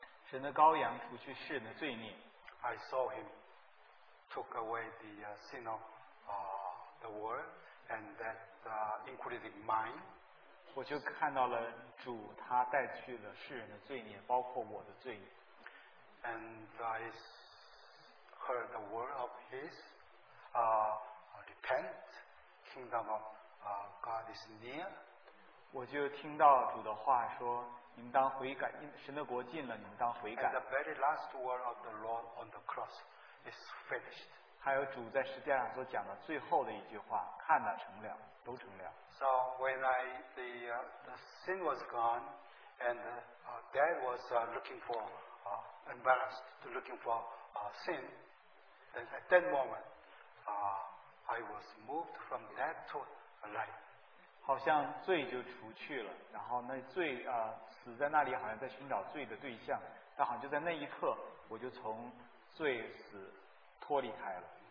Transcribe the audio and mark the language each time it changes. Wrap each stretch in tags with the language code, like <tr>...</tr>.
<zh>神的羔羊除去世人的罪孽。</zh> <en>I saw him took away the sin of the world and that including mine.</en> <zh>我就看到了主他带去了世人的罪孽，包括我的罪孽。</zh> <en>And I heard the word of his repent, kingdom of God is near.</en> <zh>我就听到主的话说你们当悔改，神的国近了，你们当悔改。</zh> <en>And the very last word of the Lord on the cross is finished.</en> <zh>还有主在十字架上所讲的最后的一句话，看哪，成了，都成了。</zh> <en>So when I the sin was gone, and dad was looking for embarrassed, looking for sin, and at that moment, I was moved from dead to life.</en> <zh>好像罪就除去了，然后那罪死在那里，好像在寻找罪的对象，但好像就在那一刻，我就从罪死脱离开了。</zh>